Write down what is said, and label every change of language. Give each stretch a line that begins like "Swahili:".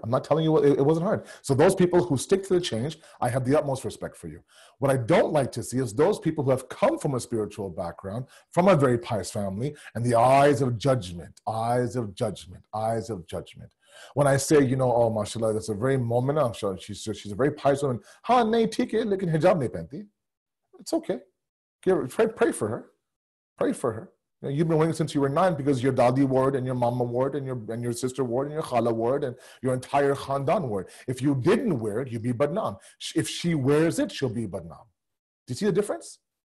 English: I'm not telling you it wasn't hard. So those people who stick to the change, I have the utmost respect for you. What I don't like to see is those people who have come from a spiritual background, from a very pious family, and the eyes of judgment, eyes of judgment, eyes of judgment. When I say, you know, oh, mashallah, that's a very momina, she's a very pious woman.
Hindi: हाँ, नहीं ठीक है, लेकिन हिजाब नहीं पहनती।
English: It's okay. Pray for her. Pray for her. You know, you've been wearing since you were nine because your daddy wore it and your mama wore it and your sister wore it and your khala wore it and your entire khandan wore it. If you didn't wear it, you'd be badnam. If she wears it, she'll be badnam. Do you see the difference?